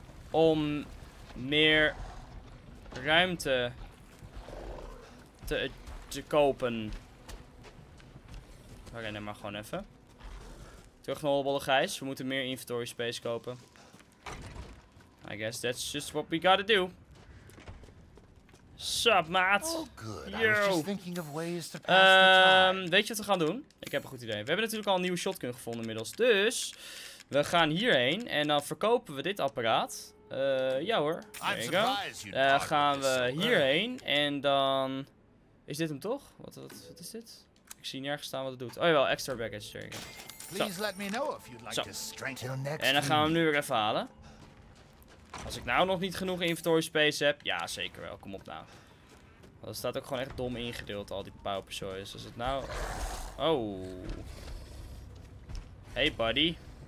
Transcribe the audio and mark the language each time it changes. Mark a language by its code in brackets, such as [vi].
[nl] Om meer ruimte te kopen. We rennen maar gewoon even. Terug naar Hollebolle Gijs. We moeten meer inventory space kopen. [en] I guess that's just what we gotta do. [nl] Sup, maat? [en] Oh, good. Yo. I was just thinking of ways to pass the time. [nl] Weet je wat we gaan doen? Ik heb een goed idee. We hebben natuurlijk al een nieuwe shotgun gevonden inmiddels. Dus, we gaan hierheen en dan verkopen we dit apparaat. Ja hoor. [en] There you go. [nl] Gaan we hierheen en dan... Is dit hem toch? Wat is dit? Ik zie nergens staan wat het doet. Oh jawel, extra baggage. [en] There you go. Please let me know if you'd like to strengthen next. [nl] En dan gaan we hem nu weer even halen. Als ik nou nog niet genoeg inventory space heb, ja zeker wel, kom op nou. Dat staat ook gewoon echt dom ingedeeld, al die pauperzooien. Is het nou... Oh. [en] Hey buddy.